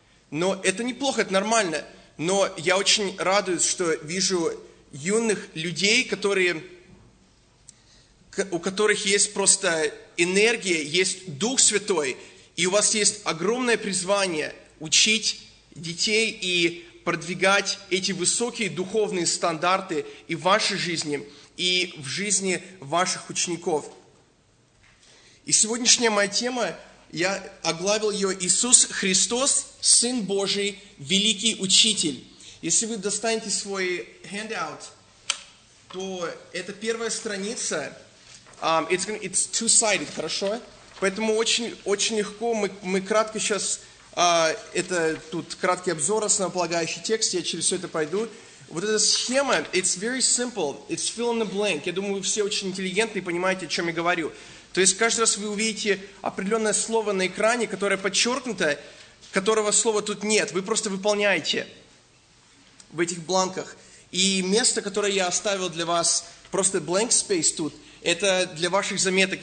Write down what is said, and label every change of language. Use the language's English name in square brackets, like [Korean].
[Russian] Но это неплохо, это нормально. Но я очень радуюсь, что вижу юных людей, у которых есть просто энергия, есть Дух Святой, и у вас есть огромное призвание учить детей и продвигать эти высокие духовные стандарты и в вашей жизни, и в жизни ваших учеников. И сегодняшняя моя тема, я оглавил ее «Иисус Христос, Сын Божий, Великий Учитель». Если вы достанете свой handout, то это первая страница. [English] It's two-sided, [Russian] хорошо? Поэтому очень-очень легко, мы кратко сейчас, это тут краткий обзор, основополагающий текст, я через все это пойду. Вот эта схема, [English] it's very simple, it's fill in the blank. [Russian] Я думаю, вы все очень интеллигентны и понимаете, о чем я говорю. То есть каждый раз вы увидите определенное слово на экране, которое подчеркнуто, которого слова тут нет. Вы просто выполняете в этих бланках. И место, которое я оставил для вас, просто blank space тут, это для ваших заметок.